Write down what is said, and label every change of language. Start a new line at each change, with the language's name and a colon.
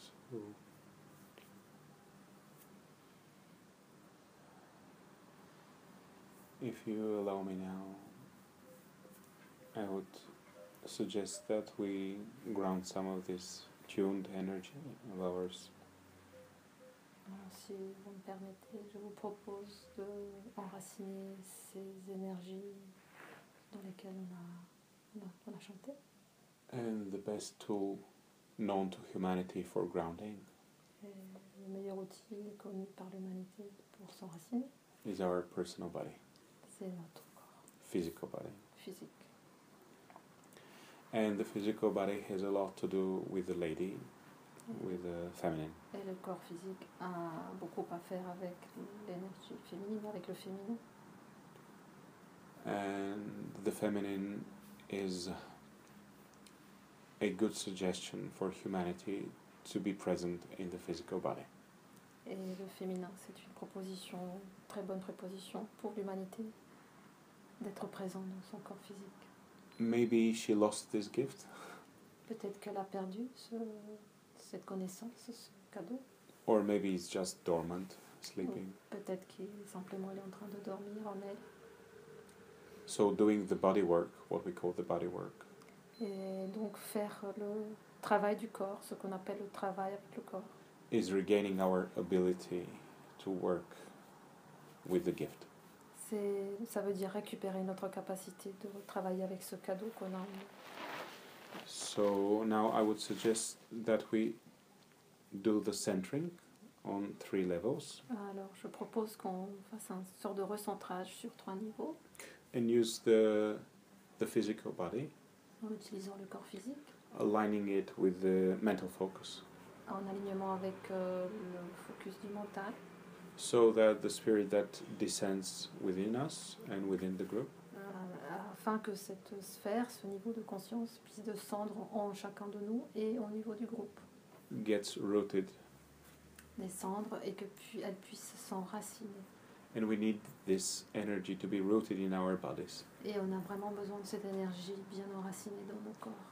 English: who if you allow me now, I would suggest that we ground some of this tuned energy of ours.
French: Si vous me permettez, je vous propose de enraciner ces énergies dans lesquelles on a chanté.
English: And the best tool known to humanity for grounding.
French: Et le meilleur outil connu par l'humanité pour s'enraciner.
English: Is our personal body.
French: C'est notre corps.
English: Physical body.
French: Physique.
English: And the physical body has a lot to do with the lady, with the feminine.
French: Et le corps physique a beaucoup à faire avec l'énergie féminine, avec le féminin.
English: And the feminine is a good suggestion for humanity to be present in the physical body.
French: Et le féminin, c'est une proposition, très bonne proposition pour l'humanité d'être présent dans son corps physique.
English: Maybe she lost this gift.
French: Peut-être qu'elle a perdu cette connaissance, ce cadeau.
English: Or maybe it's just dormant, sleeping.
French: Ou peut-être qu'elle est simplement en train de dormir en elle.
English: So doing the body work, what we call the body work.
French: Et donc faire le travail du corps, ce qu'on appelle le travail avec le corps.
English: Is regaining our ability to work with the gift.
French: C'est, ça veut dire récupérer notre capacité de travailler avec ce cadeau qu'on a.
English: So now I would suggest that we do the centering on three levels.
French: Alors je propose qu'on fasse une sorte de recentrage sur trois niveaux.
English: And use the physical body.
French: En utilisant le corps physique.
English: Aligning it with the mental focus.
French: En alignement avec le focus du mental.
English: So that the spirit that descends within us and within the group.
French: Afin que cette sphère, ce niveau de conscience, puisse descendre en chacun de nous et au niveau du groupe.
English: Gets rooted.
French: Descendre et que elle puisse s'enraciner.
English: And we need this energy to be rooted in our bodies.
French: Et on a vraiment besoin de cette énergie bien enracinée dans nos corps.